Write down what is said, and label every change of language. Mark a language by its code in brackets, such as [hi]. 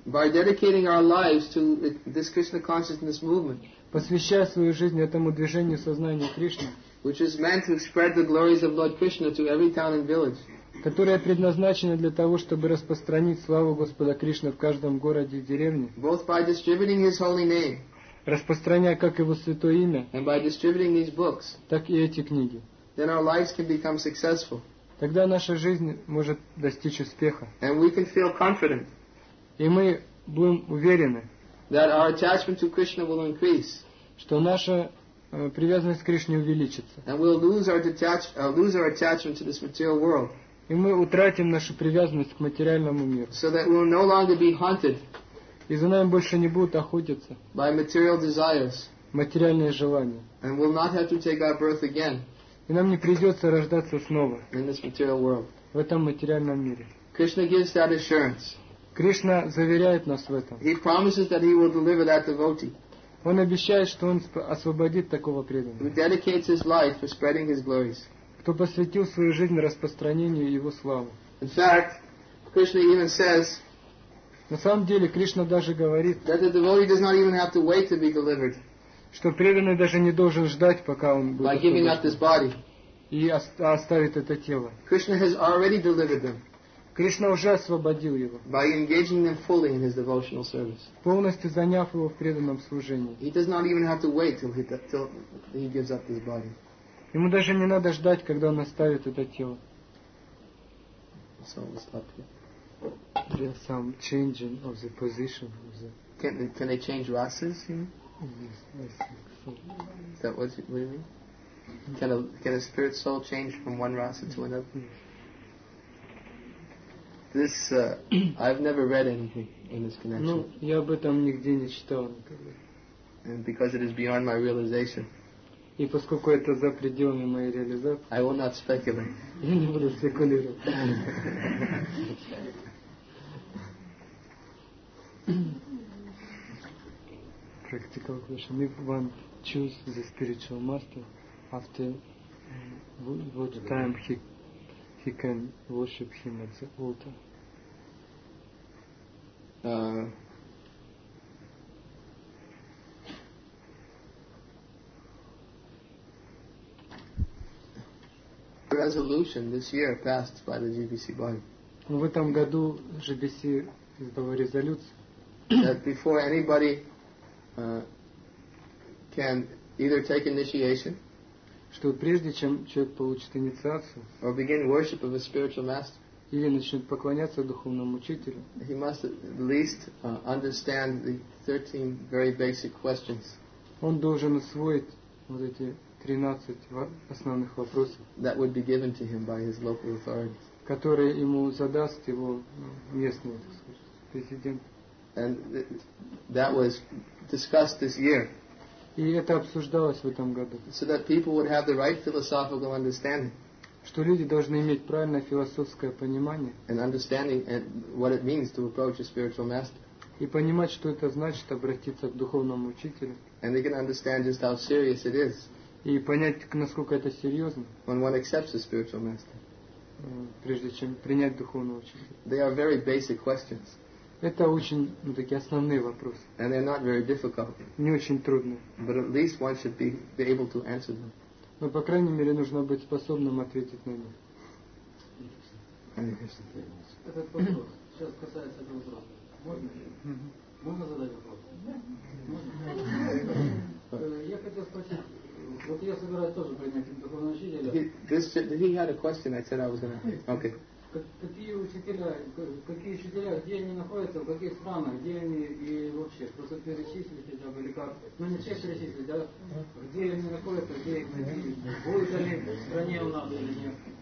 [en] by dedicating our lives to this Krishna consciousness movement, [ru] посвящая свою жизнь этому движению сознания Кришны, [en] which is meant to spread the glories of Lord Krishna to every town and village, [ru] которая предназначена для того, чтобы распространить славу Господа Кришны в каждом городе и деревне, [en] both by distributing his holy name, [ru] распространяя как Его Святое Имя, [en] and by distributing these books, [ru] так и эти книги, [en] then our lives can become successful, [ru] тогда наша жизнь может достичь успеха, [en] and we can feel confident, [ru] и мы будем уверены, [en] That our attachment to Krishna will increase. [ru] Что наша привязанность к Кришне увеличится. [en] And we'll lose our attachment to this material world. [ru] И мы утратим нашу привязанность к материальному миру. [en] So that we'll no longer be hunted. [ru] И за нами больше не будут охотиться. [en] By material desires. [ru] Материальные желания. [en] And we'll not have to take our birth again. [ru] И нам не придется рождаться снова. [en] In this material world. [ru] В этом материальном мире. [en] Krishna gives that assurance. [ru] Кришна заверяет нас в этом. [en] He promises that he will deliver that devotee. [ru] Он обещает, что он освободит такого преданного. [en] Who dedicates his life for spreading his glories. [ru] Кто посвятил свою жизнь распространению его славы. [en] In fact, Krishna even says. [ru] На самом деле Кришна даже говорит. [en] That the devotee does not even have to wait to be delivered. [ru] Что преданный даже не должен ждать, пока он будет. [en] By giving up his body. [ru] И оставит это тело. [en] Krishna has already delivered them. [ru] Кришна уже освободил его. [en] By engaging them fully in his devotional service. [ru] Полностью заняв его в преданном служении. [en] He does not even have to wait till he gives up his body. [ru] Ему даже не надо ждать, когда он оставит это тело. [en] So we'll stop here. There's some changing of the position. Of the... Can they change rasas? You know? Yes, I think so. Is that what you mean? Can a spirit soul change from one rasa to another? Yes. This I've never read anything in this connection. [ru] Ну, я об этом нигде не читал никогда. [en] And because it is beyond my realization. [ru] И поскольку это за пределами моей реализации. [en] I will not speculate. [ru] Я не буду спекулировать. [en] Practical question. If one choose the spiritual master, after what time he can worship him at the altar? Resolution this year passed by the GBC body. [ru] В этом году GBC издала резолюцию. [en] That before anybody can either take initiation, [ru] что прежде чем человек получит инициацию, [en] or begin worship of a spiritual master. [ru] Или начнет поклоняться духовному учителю. [en] He must at least understand the 13 very basic questions. [ru] Он должен усвоить вот эти 13 основных вопросов. [en] That would be given to him by his local authorities. [ru] Которые ему задаст его местный, так сказать, президент. [en] And that was discussed this year. [ru] И это обсуждалось в этом году. [en] So that people would have the right philosophical understanding. [ru] Что люди должны иметь правильное философское понимание. [en] And understanding what it means to approach a spiritual master. [ru] И понимать, что это значит обратиться к духовному учителю. [en] And they can understand just how serious it is. [ru] И понять, насколько это серьезно. [en] When one accepts a spiritual master. [ru] Прежде чем принять духовного учителя. [en] They are very basic questions. [ru] Это очень, ну, такие основные вопросы. [en] And they're not very difficult. [ru] Не очень трудные. [en] But at least one should be able to answer them. [ru] Но, по крайней мере, нужно быть способным ответить на них. Этот вопрос сейчас касается этого вопроса. Можно ли? Можно задать вопрос? Я хотел спросить. Вот я собираюсь тоже принять духовного учителя. [en] He had a question, I said I was going to... Okay. [ru] Какие учителя, где они находятся, в каких странах, где они и вообще, просто перечислить хотя бы, или как, ну не все перечислить, да, где они находятся, где их найти, будет ли в стране у нас или нет.